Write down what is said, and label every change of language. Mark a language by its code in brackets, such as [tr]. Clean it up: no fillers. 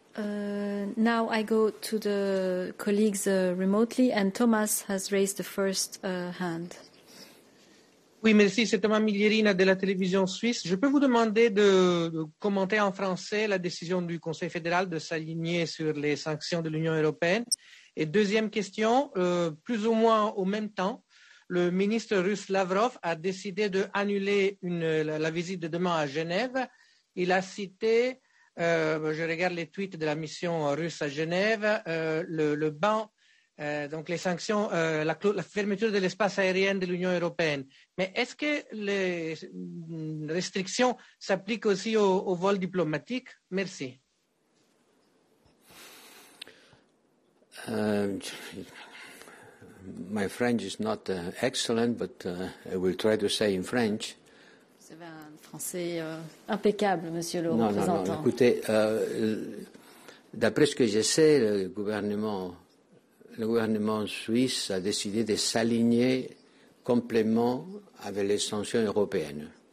[en] Now I go to the colleagues remotely, and Thomas has raised the first hand. [fr] Oui, merci. C'est Thomas Miglierina de la télévision suisse. Je peux vous demander de commenter en français la décision du Conseil fédéral de s'aligner sur les sanctions de l'Union européenne. Et deuxième question, plus ou moins au même temps, le ministre russe Lavrov a décidé d'annuler la visite de demain à Genève. Il a cité, je regarde les tweets de la mission russe à Genève, le ban. Donc les sanctions, la fermeture de l'espace aérien de l'Union européenne. Mais est-ce que les restrictions s'appliquent aussi aux vols diplomatiques? Merci. [en] My French is not excellent, but I will try to say in French. [fr] Vous avez un français impeccable, monsieur le représentant. Non, non, écoutez, d'après ce que je sais, le gouvernement suisse a décidé de s'aligner complètement avec les sanctions européennes.